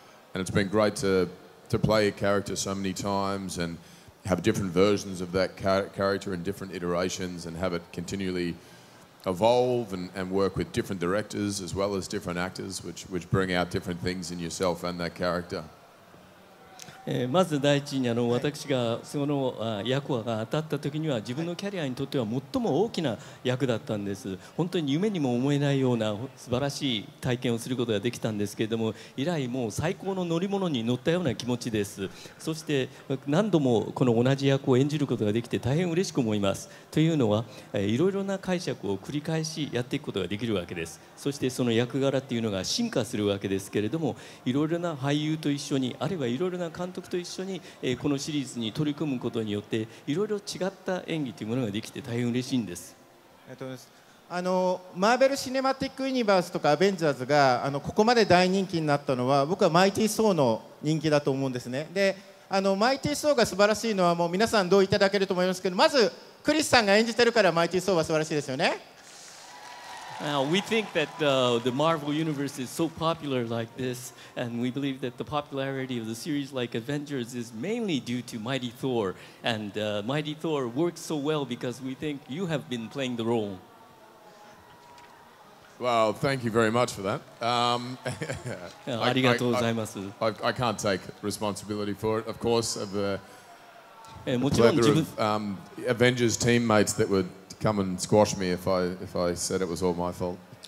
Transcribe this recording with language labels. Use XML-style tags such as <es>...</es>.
<en>And it's been great to play a character so many times and have different versions of that character in different iterations and have it continually evolve and work with different directors as well as different actors, which bring out different things in yourself and that character.</en> <ja>まず第一に私がその役が当たった時には自分のキャリアにとっては最も大きな役だったんです。本当に夢にも思えないような素晴らしい体験をすることができたんですけれども、以来もう最高の乗り物に乗ったような気持ちです。そして何度もこの同じ役を演じることができて大変嬉しく思います。というのはいろいろな解釈を繰り返しやっていくことができるわけです。そしてその役柄っていうのが進化するわけですけれども、いろいろな俳優と一緒に、あるいはいろいろな監督と一緒にこのシリーズに取り組むことによっていろいろ違った演技というものができて大変嬉しいんです。ありがとうございます。マーベルシネマティックユニバースとかアベンジャーズがここまで大人気になったのは僕はマイティー・ソーの人気だと思うんですね。でマイティー・ソーが素晴らしいのはもう皆さん同意いただけると思いますけど、まずクリスさんが演じてるからマイティー・ソーは素晴らしいですよね。</ja> <en>Now, we think that the Marvel Universe is so popular like this, and we believe that the popularity of the series like Avengers is mainly due to Mighty Thor. And Mighty Thor works so well because we think you have been playing the role. Well, thank you very much for that.</en> <ja>ありがとうございます。</ja> <en>I can't take responsibility for it, of course, of the plethora of Avengers teammates that would... Come and squash me if I said it was all my fault.</en>